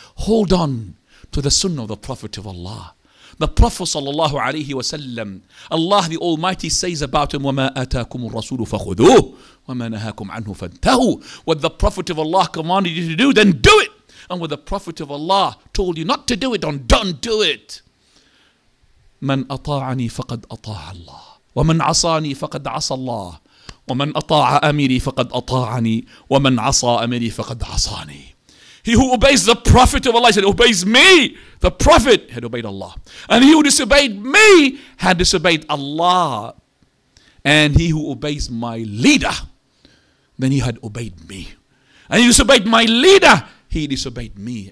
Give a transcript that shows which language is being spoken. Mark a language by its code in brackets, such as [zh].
[en] Hold on to the sunnah of the Prophet of Allah. The Prophet sallallahu alayhi wa sallam, Allah the Almighty says about him, [ar] وَمَا أَتَاكُمُ الرَّسُولُ فَخُذُوهُ وَمَا نَهَاكُمْ عَنْهُ فَانْتَهُوا. [en] What the Prophet of Allah commanded you to do, then do it. And what the Prophet of Allah told you not to do it, don't do it. [ar] مَنْ أَطَاعَنِي فَقَدْ أَطَاعَ اللَّهُ وَمَنْ عَصَانِي فَقَدْ عَصَى اللَّهُ وَمَنْ أَطَاعَ أَمِرِي فَقَدْ أَطَاعَنِي وَمَنْ عَصَى أَمِرِي فَقَدْ عَصَانِي. [en] He who obeys the Prophet of Allah, he said, obeys me, the Prophet had obeyed Allah. And he who disobeyed me had disobeyed Allah. And he who obeys my leader, then he had obeyed me. And he disobeyed my leader, he disobeyed me.